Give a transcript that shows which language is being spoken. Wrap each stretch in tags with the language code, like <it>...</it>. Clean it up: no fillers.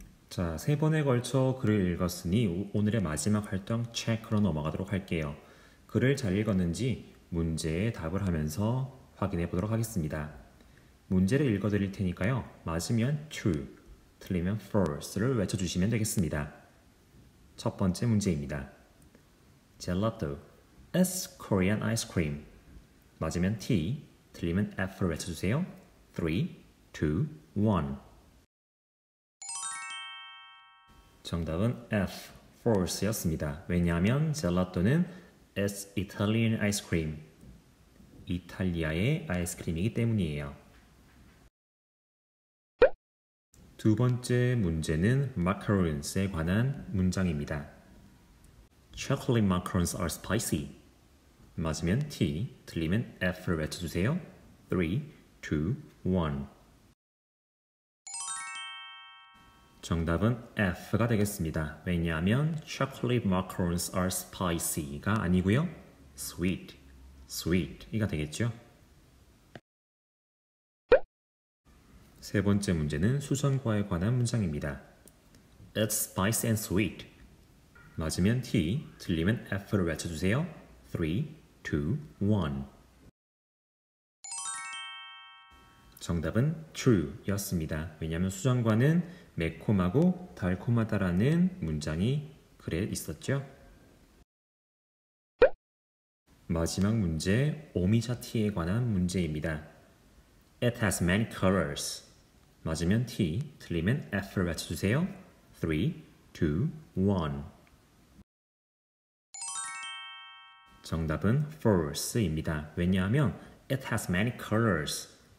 <ko>자, 세 번에 걸쳐 글을 읽었으니 오늘의 마지막 활동 체크로 넘어가도록 할게요. 글을 잘 읽었는지 문제에 답을 하면서 확인해 보도록 하겠습니다. 문제를 읽어드릴 테니까요. 맞으면 true, 틀리면 false를 외쳐주시면 되겠습니다. 첫 번째 문제입니다.</ko> <en>Gelato is Korean ice cream.</en> <ko>맞으면 T, 틀리면 F를 외쳐주세요. 3, 2, 1. 정답은 F, false였습니다. 왜냐하면 젤라또는</ko> <en>is Italian ice cream.</en> <ko>이탈리아의 아이스크림이기 때문이에요. 두 번째 문제는 macarons에 관한 문장입니다.</ko> <en>Chocolate macarons are spicy.</en> <ko>맞으면 T, 틀리면 F를 외쳐주세요. 3, 2, 1. 정답은 F가 되겠습니다. 왜냐하면</ko> <en>chocolate macarons are spicy가 아니고요.</en> <ko>Sweet, sweet이가 되겠죠. 세 번째 문제는 수전과에 관한 문장입니다.</ko> <en>It's spicy and sweet.</en> <ko>맞으면 T, 틀리면 F를 외쳐주세요. 3, 2, 1. 정답은 true였습니다. 왜냐하면 수전과는 매콤하고 달콤하다라는 문장이 글에 있었죠. 마지막 문제, 오미자티에 관한 문제입니다.</ko> <en>It has many colors.</en> <ko>맞으면 T, 틀리면 F를 외쳐주세요. 3, 2, 1. 정답은 false입니다. 왜냐하면</ko> <en>It has many colors.</en>